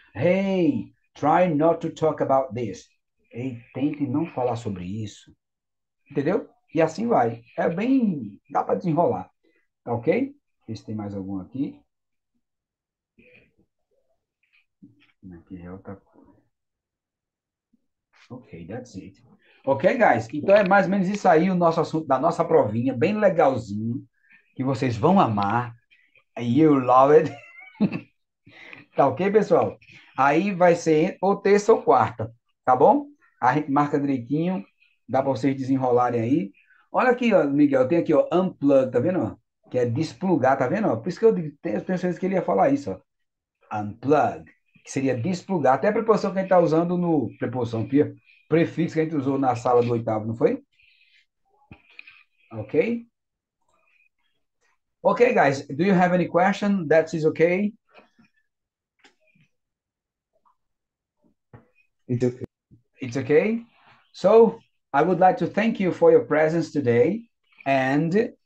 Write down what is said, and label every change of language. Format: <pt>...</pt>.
<en>Hey, try not to talk about this.</en> <pt>Ei, tente não falar sobre isso. Entendeu? E assim vai. É bem. Dá para desenrolar. Tá ok? Ver se tem mais algum aqui. Aqui é outra coisa.</pt> <en>Ok, that's it. Ok, guys?</en> <pt>Então é mais ou menos isso aí o nosso assunto da nossa provinha, bem legalzinho, que vocês vão amar.</pt> <en>You love it.</en> <pt>Tá ok, pessoal? Aí vai ser ou terça ou quarta, tá bom? A gente marca direitinho, dá para vocês desenrolarem aí. Olha aqui, ó, Miguel, tem aqui, ó, unplug, tá vendo? Que é desplugar, tá vendo? Por isso que eu tenho certeza que ele ia falar isso, ó. Unplug, que seria desplugar. Até a preposição que a gente tá usando no. Preposição, prefixo que a gente usou na sala do oitavo, não foi? Ok?</pt> <en>Ok, guys, do you have any question? That is okay? It's okay? So, I would like to thank you for your presence today and.</en>